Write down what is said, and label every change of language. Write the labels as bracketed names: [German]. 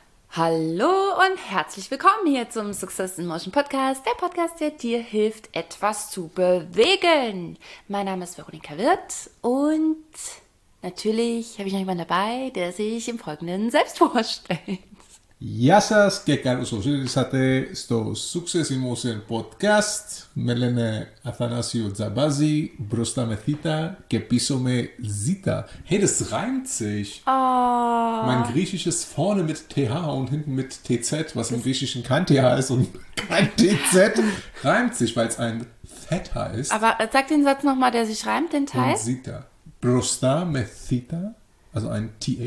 [German] Hallo und herzlich willkommen hier zum Success in Motion Podcast, der Podcast, der dir hilft, etwas zu bewegen. Mein Name ist Veronika Wirth und natürlich habe ich noch jemanden dabei, der sich im Folgenden selbst vorstellt. [Greek] Γεια σας και καλώς ορίσατε στο Success in Motion Podcast. Με λένε Αθανάσιο Τζαμπάζη, μπροστά με θήτα και πίσω με ζήτα. [German] Hey, das reimt sich. Oh. Mein griechisches vorne mit TH und hinten mit TZ, was im Griechischen kein TH ist und kein TZ, reimt sich, weil es ein Theta ist. Aber sag den Satz nochmal, der sich reimt, den Teil. Und ZITA. [Greek] Brosta me thita, [German] also ein TH.